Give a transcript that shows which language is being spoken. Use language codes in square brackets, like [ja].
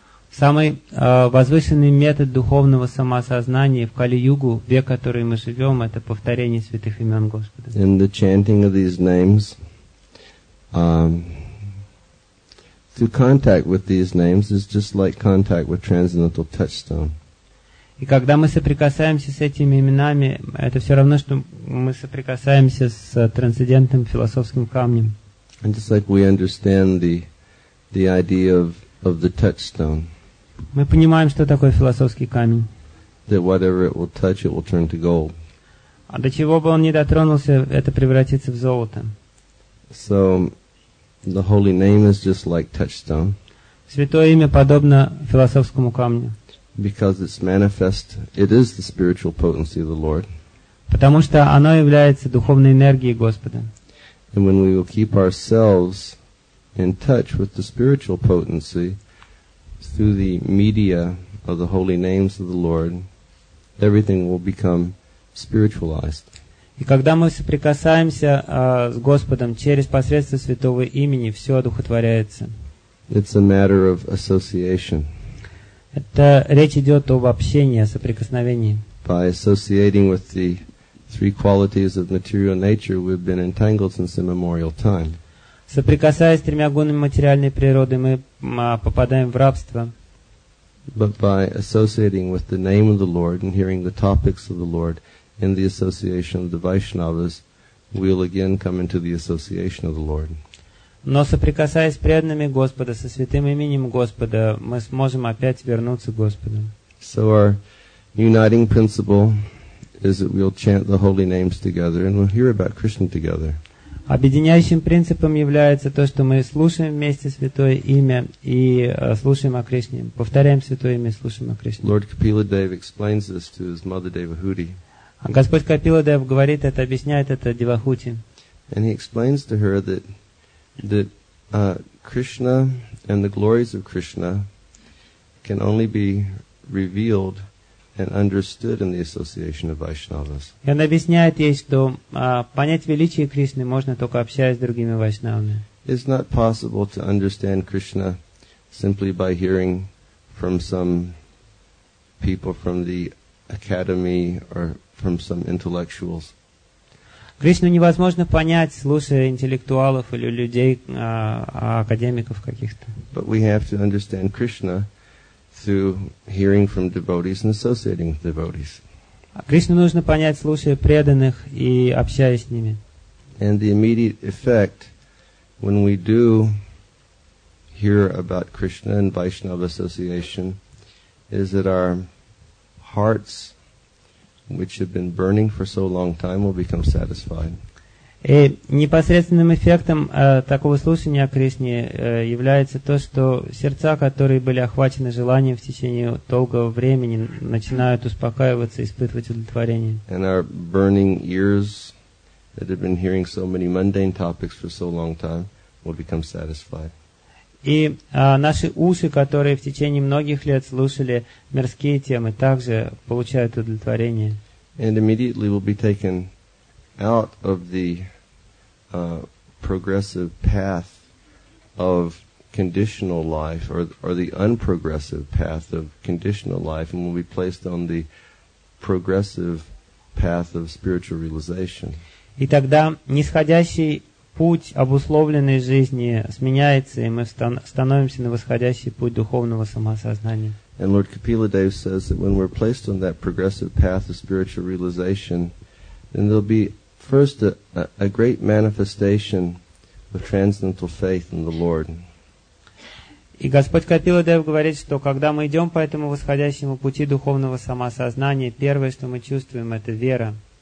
[ru] Самый возвышенный метод духовного самосознания в Кали-Югу, век, в который мы живем, это повторение святых имен Господа. [en] In the chanting of these names, through contact with these names is just like contact with transcendental touchstone. [ru] И когда мы соприкасаемся с этими именами, это все равно, что мы соприкасаемся с трансцендентным философским камнем. [en] And just like we understand the idea of the touchstone. [ru] Мы понимаем, что такое философский камень. [en] That whatever it will touch, it will turn to gold. [ru] А до чего бы он ни дотронулся, это превратится в золото. [en] So, the holy name is just like touchstone. [ru] Святое имя подобно философскому камню. [en] Because it's manifest, it is the spiritual potency of the Lord. [ru] Потому что оно является духовной энергией Господа. [en] And when we will keep ourselves in touch with the spiritual potency, through the media of the holy names of the Lord, everything will become spiritualized. [ru] И когда мы соприкасаемся с Господом через посредство святого имени, все одухотворяется. [en] It's a matter of association. [ru] Это речь идет об общении, о соприкосновении. [en] By associating with the three qualities of material nature, we've been entangled since immemorial time. [ru] Соприкасаясь с тремя гунами материальной природы, мы попадаем в рабство. [en] But by associating with the name of the Lord and hearing the topics of the Lord in the association of the Vaishnavas, we'll again come into the association of the Lord. [ru] Но соприкасаясь с преданными Господа, со святым именем Господа, мы сможем опять вернуться к Господу. [en] So our uniting principle is that we'll chant the holy names together and we'll hear about Krishna together. [ru] Объединяющим принципом является то, что мы слушаем вместе святое имя и слушаем о Кришне. Повторяем святое имя и слушаем о Кришне. [en] Lord Kapila Dev explains this to his mother Devahuti. [ru] Господь Капила Дев говорит это, объясняет это Девахути. [en] And he explains to her that Krishna and the glories of Krishna can only be revealed and understood in the association of Vaishnavas. [ru] И он объясняет ей, что понять величие Кришны можно только общаясь с другими вайшнавами. [en] It's not possible to understand Krishna simply by hearing from some people from the academy or from some intellectuals. [ru] Кришну невозможно понять, слушая интеллектуалов или людей, академиков каких-то. [en] But we have to understand Krishna through hearing from devotees and associating with devotees. [ru] Кришну нужно понять, слушая преданных и общаясь с ними. [en] And the immediate effect when we do hear about Krishna and Vaishnava association is that our hearts, which have been burning for so long time, will become satisfied. [ru] И непосредственным эффектом такого слушания о Кришне является то, что сердца, которые были охвачены желанием в течение долгого времени, начинают успокаиваться, испытывать удовлетворение. [en] And our burning ears that have been hearing so many mundane topics for so long time will become satisfied. [ru] И наши уши, которые в течение многих лет слушали мирские темы, также получают удовлетворение. [en] And immediately will be taken out of the progressive path of conditional life or the unprogressive path of conditional life and will be placed on the progressive path of spiritual realization. [ru] И тогда нисходящий путь обусловленной жизни сменяется, и мы становимся на восходящий путь духовного самосознания. [en] And Lord Kapila Dev says that when we're placed on that progressive path of spiritual realization, then there'll be first a great manifestation of transcendental faith in the Lord. [ru] И Господь Капила Дев говорит, что когда мы идем по этому восходящему пути духовного самосознания, первое, что мы чувствуем, это вера.